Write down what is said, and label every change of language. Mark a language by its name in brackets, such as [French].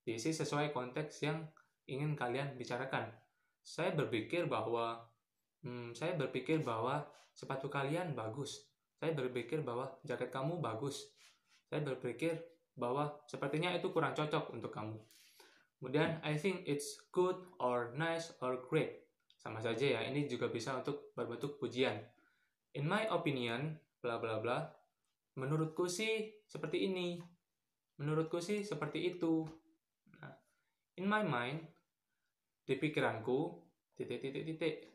[Indonesian] Diisi sesuai konteks yang ingin kalian bicarakan. Saya berpikir bahwa sepatu kalian bagus. Saya berpikir bahwa jaket kamu bagus. Saya berpikir bahwa sepertinya itu kurang cocok untuk kamu. [English] Kemudian, I think it's good or nice or great. [Indonesian] Sama saja ya, ini juga bisa untuk berbentuk pujian. In my opinion, bla bla bla, menurutku sih seperti ini. Menurutku sih seperti itu. Nah, in my mind, di pikiranku, titik titik titik.